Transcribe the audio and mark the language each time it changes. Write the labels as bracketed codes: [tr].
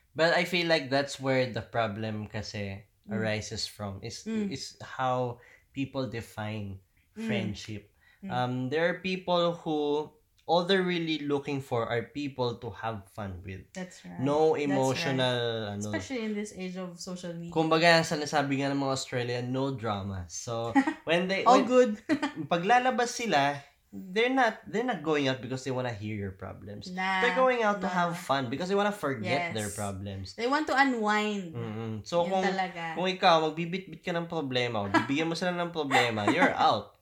[en] But I feel like that's where the problem [tl] kasi [en] arises from. Is how people define friendship. There are people who, all they're really looking for are people to have fun with. That's right. No emotional, right. Especially in this age of social media. [tl] Kumbaga, sinasabi nga ng mga Australian, [en] no drama. So, when they... all when, good. [tl] Paglalabas sila, [en] they're not going out because they wanna hear your problems. Nah, they're going out to have fun because they wanna forget their problems. They want to unwind. [tl] So, kung ikaw, magbibit-bit ka ng problema, o bibigyan mo sila ng problema, [en] you're out.